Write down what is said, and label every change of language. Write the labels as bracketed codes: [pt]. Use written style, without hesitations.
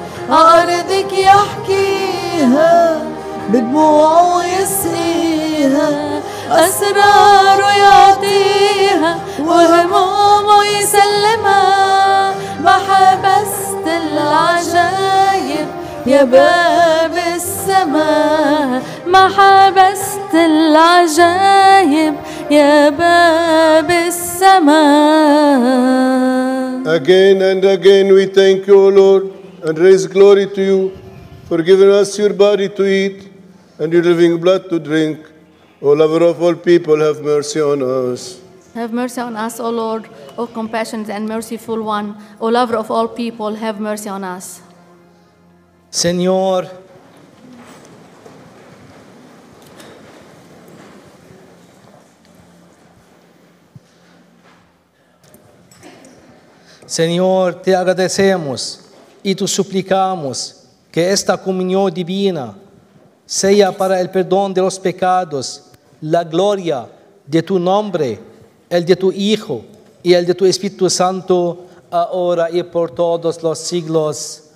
[ar] عارضك يحكيها بدموعه يسقيها أسراره يعطيها وهمومه يسلمها ما حبست العجائب يا باب السماء السماء ما حبست العجائب يا باب السماء. [en] Again and again we thank you, O Lord, and raise glory to you for giving us your body to eat and your living blood to drink. O lover of all people, have mercy on us. Have mercy on us, O Lord, O compassionate and merciful one. O lover of all people, have mercy on us. [es] Señor, Señor, te agradecemos y te suplicamos que esta comunión divina sea para el perdón de los pecados, la gloria de tu nombre, el de tu Hijo y el de tu Espíritu Santo, ahora y por todos los siglos.